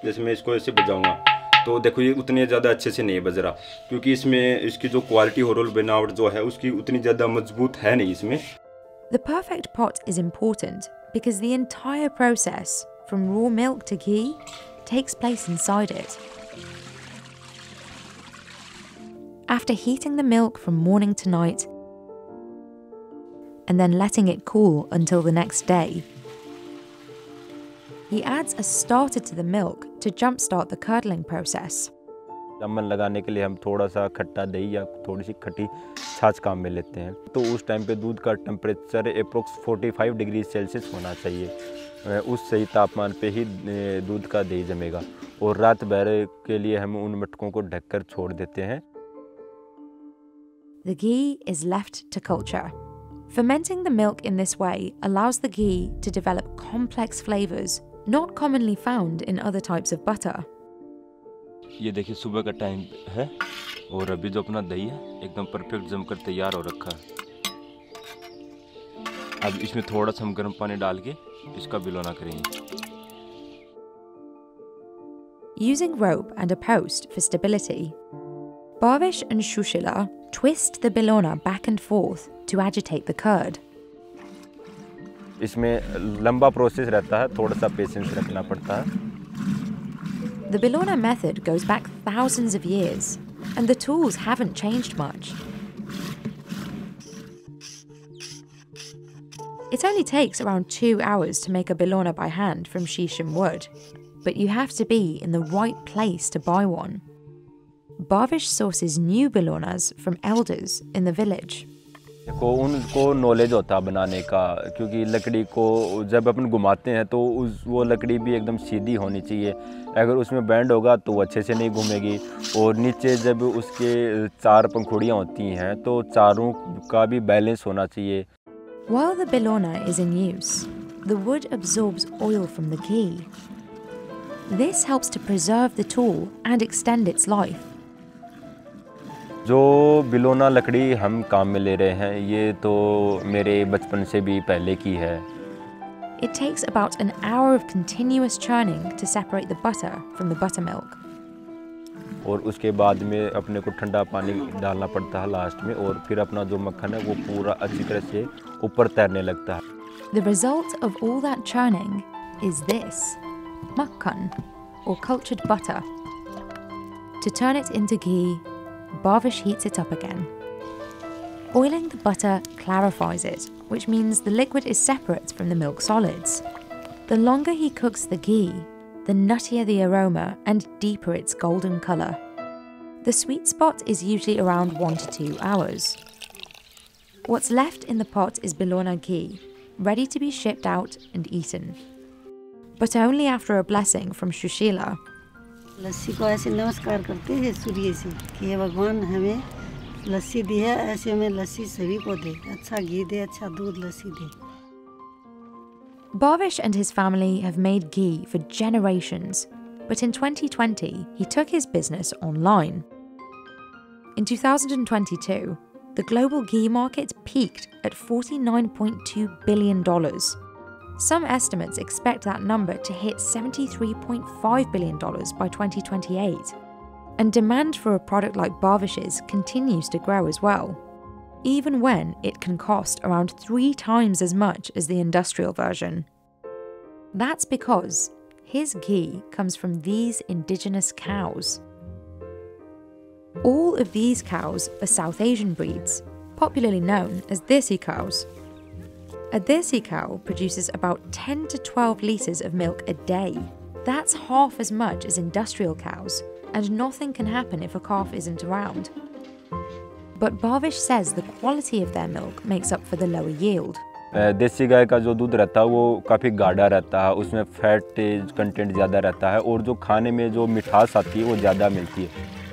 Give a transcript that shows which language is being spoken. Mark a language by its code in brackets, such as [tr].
[hi] तो देखो ये उतने ज्यादा अच्छे से नहीं बज रहा क्योंकि इसमें इसकी जो क्वालिटी हो रोल बनावट जो है उसकी उतनी ज्यादा मजबूत है नहीं इसमें [en] The perfect pot is important because the entire process from raw milk to ghee takes place inside it. After heating the milk from morning to night and then letting it cool until the next day, he adds a starter to the milk to jumpstart the curdling process. [hi] जमन लगाने के लिए हम थोड़ा सा खट्टा दही या थोड़ी सी खट्टी छाछ काम में लेते हैं तो उस टाइम पे दूध का टेंपरेचर अप्रोक्स 45 डिग्री सेल्सियस होना चाहिए उस सही तापमान पे ही दूध का दही जमेगा और रात भर के लिए हम उन मटकों को ढककर छोड़ देते हैं [en] The ghee is left to culture. Fermenting the milk in this way allows the ghee to develop complex flavors not commonly found in other types of butter. [hi] ये देखिए सुबह का टाइम है और अभी जो अपना दही है एकदम परफेक्ट जमकर तैयार हो रखा है। अब इसमें थोड़ा सा हम गर्म पानी डाल के इसका बिलोना करेंगे। [en] Using rope and a post for stability, Barvish and Shushila twist the bilona back and forth to agitate the curd. [hi] इसमें लंबा प्रोसेस रहता है, थोड़ा सा पेशेंस रखना पड़ता है। [en] The bilona method goes back thousands of years, and the tools haven't changed much. It only takes around 2 hours to make a bilona by hand from shishim wood, but you have to be in the right place to buy one. Barvish sources new bilonas from elders in the village. [hi] देखो उनको knowledge होता है बनाने का क्योंकि लकड़ी को जब अपन घुमाते हैं तो उस वो लकड़ी भी एकदम सीधी होनी चाहिए अगर उसमें बैंड होगा तो अच्छे से नहीं घूमेगी और नीचे जब उसके चार पंखुड़ियाँ होती हैं तो चारों का भी बैलेंस होना चाहिए [en] While the bilona is in use, the wood absorbs oil from the ghee. This helps to preserve the tool and extend its life. [hi] जो बिलोना लकड़ी हम काम में ले रहे हैं ये तो मेरे बचपन से भी पहले की है [en] It takes about an hour of continuous churning to separate the butter from the buttermilk [hi] और उसके बाद में अपने को ठंडा पानी डालना पड़ता है लास्ट में और फिर अपना जो मक्खन है वो पूरा अच्छी तरह से ऊपर तैरने लगता है [en] The result of all that churning is this makkhan or cultured butter to turn it into ghee Barvish heats it up again. Oiling the butter clarifies it, which means the liquid is separate from the milk solids. The longer he cooks the ghee, the nuttier the aroma and deeper its golden colour. The sweet spot is usually around 1 to 2 hours. What's left in the pot is Bilona ghee, ready to be shipped out and eaten. But only after a blessing from Shushila. [hi] लस्सी को ऐसे नमस्कार करते हैं सूर्य से कि ये भगवान हमें लस्सी दी है ऐसे हमें लस्सी सभी को दे अच्छा घी दे अच्छा दूध लस्सी दे [en] Barvish and his family have made ghee for generations, but in 2020 he took his business online. In 2022, the global ghee market peaked at $49.2 billion. Some estimates expect that number to hit $73.5 billion by 2028. And demand for a product like Barvish's continues to grow as well, even when it can cost around 3 times as much as the industrial version. That's because his ghee comes from these indigenous cows. All of these cows are South Asian breeds, popularly known as Desi cows. A Desi cow produces about 10 to 12 litres of milk a day. That's half as much as industrial cows, and nothing can happen if a calf isn't around. But Bhavish says the quality of their milk makes up for the lower yield. [hi] देसी गाय का जो दूध रहता है वो काफी गाढ़ा रहता है उसमें फैट कंटेंट ज्यादा रहता है और जो खाने में जो मिठास आती है वो ज्यादा मिलती है